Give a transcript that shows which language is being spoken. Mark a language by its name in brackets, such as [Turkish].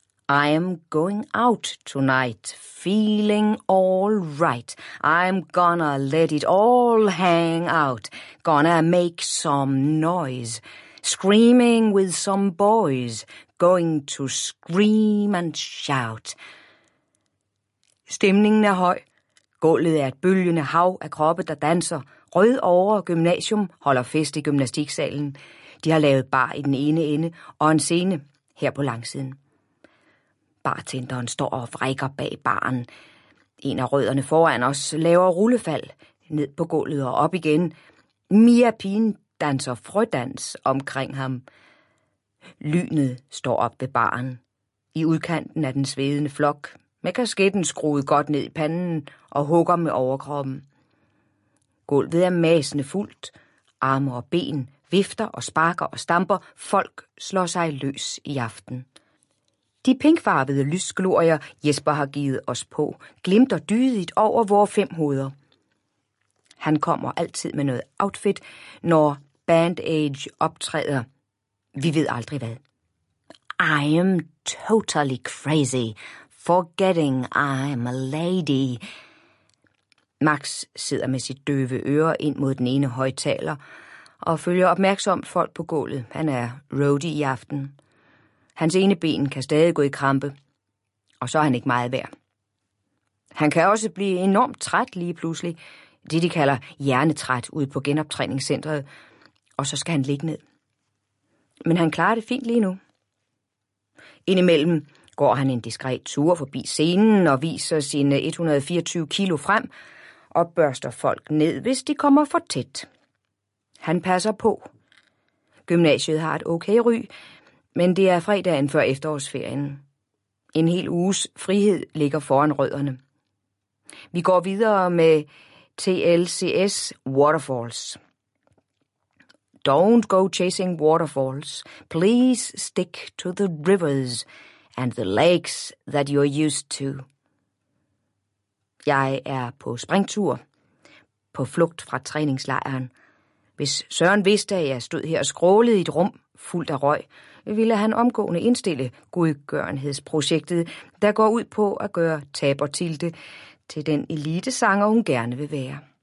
[English] I am going out tonight, feeling all right. I'm gonna let it all hang out. Gonna make some noise. Screaming with some boys. Going to scream and shout. [Danish] Stemningen er høj. Gulvet er et bølgende hav af kroppe, der danser. Rød over gymnasium holder fest i gymnastiksalen. De har lavet bar i den ene ende og en scene her på langsiden. Bartenderen står og vrikker bag baren. En af rødderne foran os laver rullefald ned på gulvet og op igen. Mia Pien danser frødans omkring ham. Lynet står op ved baren. I udkanten af den svedende flok med kasketten skruet godt ned i panden og hugger med overkroppen. Gulvet er masende fuldt. Arme og ben vifter og sparker og stamper. Folk slår sig løs i aften. De pinkfarvede lysglorier, Jesper har givet os på, glimter dydigt over vores fem hoveder. Han kommer altid med noget outfit, når Band Age optræder. Vi ved aldrig hvad. [English] I am totally crazy, forgetting I'm a lady. [Danish] Max sidder med sit døve øre ind mod den ene højtaler og følger opmærksomt folk på gulvet. Han er roadie i aften. Hans ene ben kan stadig gå i krampe, og så er han ikke meget værd. Han kan også blive enormt træt lige pludselig, det de kalder hjernetræt ude på genoptræningscentret, og så skal han ligge ned. Men han klarer det fint lige nu. Indimellem går han en diskret tur forbi scenen og viser sine 124 kilo frem og børster folk ned, hvis de kommer for tæt. Han passer på. Gymnasiet har et okay ry, men det er fredagen før efterårsferien. En hel uges frihed ligger foran rødderne. Vi går videre med TLCS Waterfalls. [English] Don't go chasing waterfalls. Please stick to the rivers and the lakes that you're used to. [Danish] Jeg er på springtur, på flugt fra træningslejren. Hvis Søren vidste, at jeg stod her og skrålede i et rum fuldt af røg, ville han omgående indstille godgørenhedsprojektet, der går ud på at gøre Taber Tilde til den elitesanger, hun gerne vil være.